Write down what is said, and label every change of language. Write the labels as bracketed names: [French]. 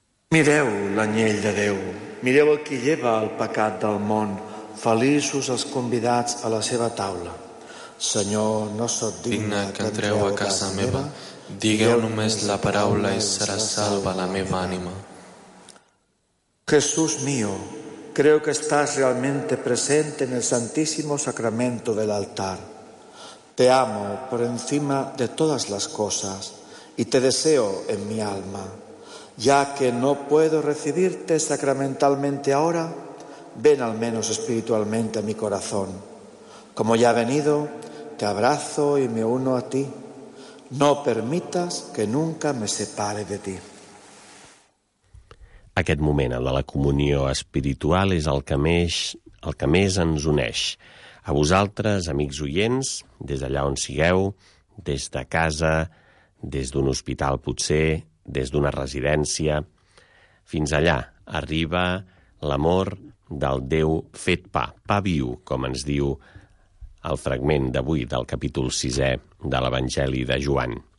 [Catalan] Mireu l'anyell de Déu, mireu el qui lleva el pecat del món, feliços els convidats a la seva taula. Senyor, no sóc digne que entreu a casa meva, digueu només la paraula i serà salva la meva ànima. [Spanish] Jesús mío, creo que estás realmente presente en el Santísimo Sacramento del altar. Te amo por encima de todas las cosas y te deseo en mi alma. Ya que no puedo recibirte sacramentalmente ahora, ven al menos espiritualmente a mi corazón. Como ya ha venido, te abrazo y me uno a ti. No permitas que nunca me separe de ti. [Catalan] Aquest moment, el de la comunió espiritual, és el que més ens uneix. A vosaltres, amics oients, des d'allà on sigueu, des de casa, des d'un hospital potser, des d'una residència, fins allà arriba l'amor del Déu fet pa, pa viu, com ens diu el fragment d'avui del capítol 6è de l'Evangeli de Joan.